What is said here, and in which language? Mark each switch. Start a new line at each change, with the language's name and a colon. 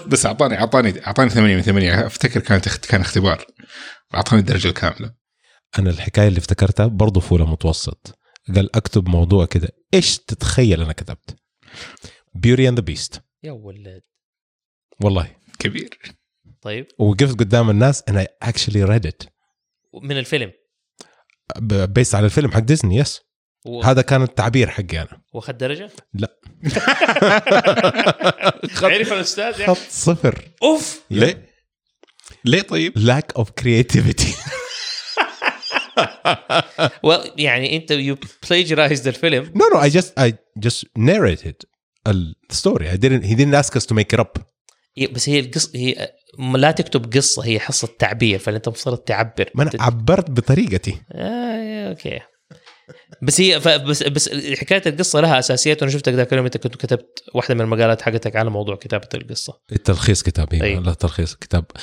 Arabic: بس اعطاني 8 من 8. افتكر كان اختبار. اعطاني الدرجة الكاملة. انا الحكاية اللي افتكرتها برضو فولة متوسط. قال اكتب موضوع كده. ايش تتخيل انا كتبت؟ Beauty and the Beast. يا ولد. والله. كبير. طيب. وقفت قدام الناس
English: and I actually read it.
Arabic: من الفيلم. بيس على الفيلم حق ديزني. يس. هذا كان التعبير حقي انا. واخد درجة؟ لا. عرف الاستاذ يعني. خط صفر. اوف. ليه طيب؟
English: lack of creativity. well,
Arabic: يعني انت
English: you plagiarized the film. No, I just narrated the story. He didn't ask us to make it up.
Arabic: بس هي القصة، هي لا تكتب قصة، هي حصة تعبير، فانت مفترض تعبر. ما انا عبرت بطريقتي. اوكي. بس هي بس حكاية القصة لها اساسيات. وانا شفتك ذاك اليوم انت كنت كتبت واحدة من المقالات حقتك على موضوع كتابة القصة. التلخيص كتابي. أيه. لا تلخيص كتاب.